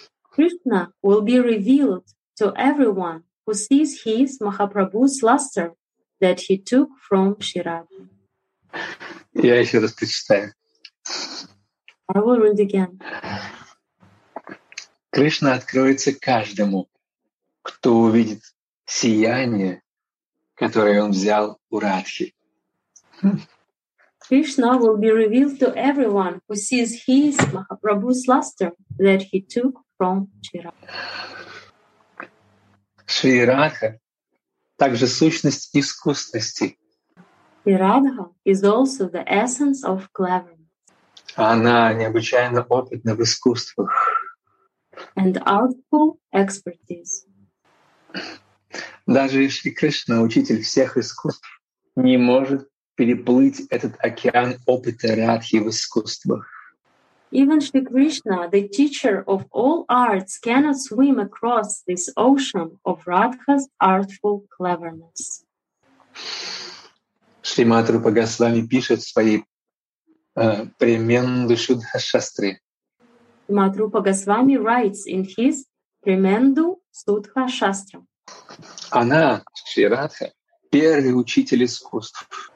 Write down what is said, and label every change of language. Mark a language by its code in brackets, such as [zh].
[en] Кришна will be revealed to everyone who sees his, Махапрабху's, luster that he took from Шри Радхи. [ru] Я еще раз прочитаю. [en] I will read again. [ru] Кришна откроется каждому, кто увидит сияние, которое он взял у Радхи. [en] Krishna will be revealed to everyone who sees his Mahaprabhu's luster that he took from Chira. [ru] Шри Радха также сущность искусности. [en] И Радха is also the essence of cleverness. [ru] Она необычайно опытна в искусствах. [en] And artful expertise. [ru] Даже Шри Кришна, учитель всех искусств, не может переплыть этот океан опыта Радхи в искусствах. [en] Even Shri Krishna, the teacher of all arts, cannot swim across this ocean of Radha's artful cleverness. [ru] Шри Матрупа Госвами пишет в своей Премендо Шудха Шастре. [en] Матрупа Госвами writes in his Премендо Шудха Шастре. [ru] Она, Шри Радха, первый учитель искусств.